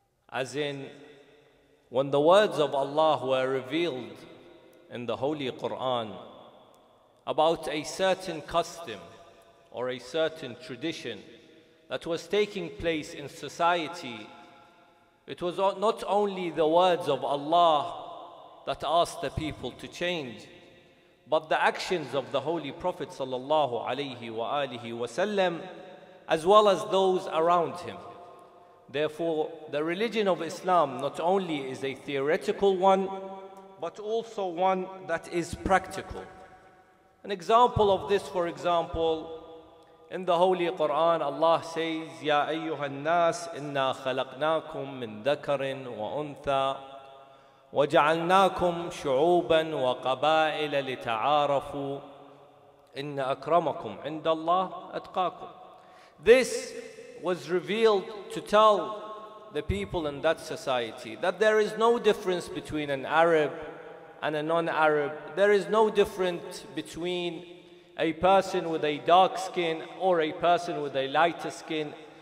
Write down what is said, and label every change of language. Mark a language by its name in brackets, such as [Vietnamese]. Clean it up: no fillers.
[English] As in, when the words of Allah were revealed in the Holy Quran about a certain custom or a certain tradition that was taking place in society, it was not only the words of Allah that asked the people to change, but the actions of the Holy Prophet sallallahu alayhi wa alihi wa sallam, as well as those around him. Therefore, the religion of Islam not only is a theoretical one, but also one that is practical. An example of this, for example, in the Holy Quran, Allah says, [Arabic] يَا أَيُّهَا النَّاسِ إِنَّا خَلَقْنَاكُمْ مِنْ ذَكَرٍ وَأُنْثَى وَجَعَلْنَاكُمْ شُعُوبًا وَقَبَائِلَ لِتَعَارَفُوا إِنَّ أَكْرَمَكُمْ عِنْدَ اللَّهِ أَتْقَاكُمْ. [English] This was revealed to tell the people in that society that there is no difference between an Arab and a non-Arab. There is no difference between a person with a dark skin or a person with a lighter skin.